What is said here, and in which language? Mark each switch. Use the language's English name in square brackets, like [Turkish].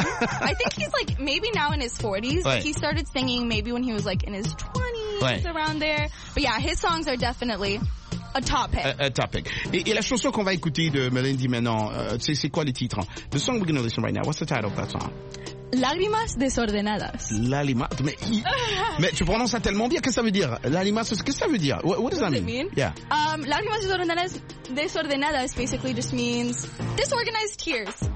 [English] I think he's like maybe now in his 40s. Right. He started singing maybe when he was like in his 20s, right. around there. But yeah, his songs are definitely a top hit. A top hit. [French] Et la chanson qu'on va écouter de Melendi maintenant, c'est quoi le titre? [English] The song we're going to listen right now, what's the title of that song? [Spanish] Lágrimas desordenadas. [French] Lágrimas. Mais tu prononces ça tellement bien. Qu'est-ce que ça veut dire? Lágrimas. Qu'est-ce que ça veut dire? [English] What does that mean? Yeah. Lágrimas desordenadas basically just means disorganized tears.